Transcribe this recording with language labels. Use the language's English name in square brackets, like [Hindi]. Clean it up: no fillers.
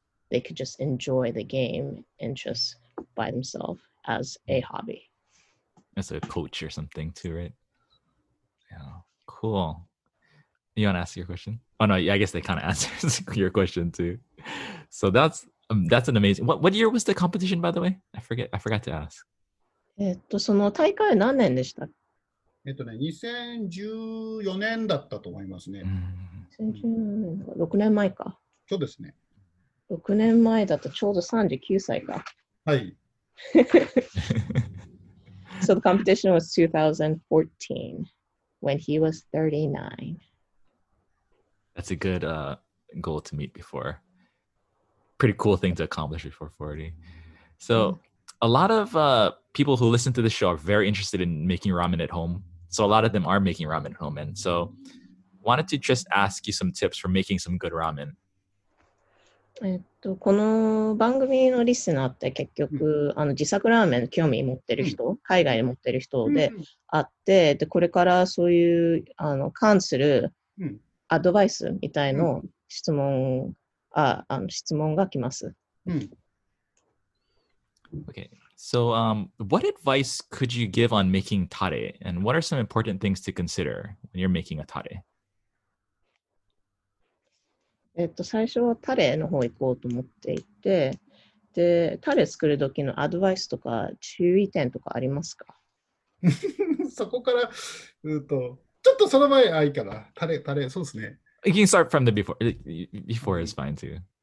[English] They could just enjoy the game and just by themselves as a hobby. As a coach or something too, right? Yeah, cool. You want to ask your question? Oh, no, yeah, I guess they kind of answered your question too. So that's an amazing... What year was the competition, by the way? I forgot to ask. [Japanese] その大会は何年でした？ 2014年だったと思いますね。 2014年、6年前か。そうですね。 6年前だとちょうど39歳か。はい。 [English] So the competition was 2014 when he was 39. That's a good goal to meet before. Pretty cool thing to accomplish before 40. So a lot of people who listen to the show are very interested in making ramen at home. So a lot of them are making ramen at home. And so wanted to just ask you some tips for making some good ramen. [Japanese] この番組のリスナーって結局あの自作ラーメン興味持ってる人、海外に持ってる人であって、でこれからそういうあの関するアドバイスみたいの質問、あの質問が来ます。 [English] Okay, so what advice could you give on making tare? And what are some important things to consider when you're making a tare? [Japanese] 最初はタレの方行こうと思っていて、で、タレ作る時のアドバイスとか注意点とかありますか？そこから、ちょっとその前はいいかな。タレ、そうですね。 [English] You can start from the before. Before is fine too.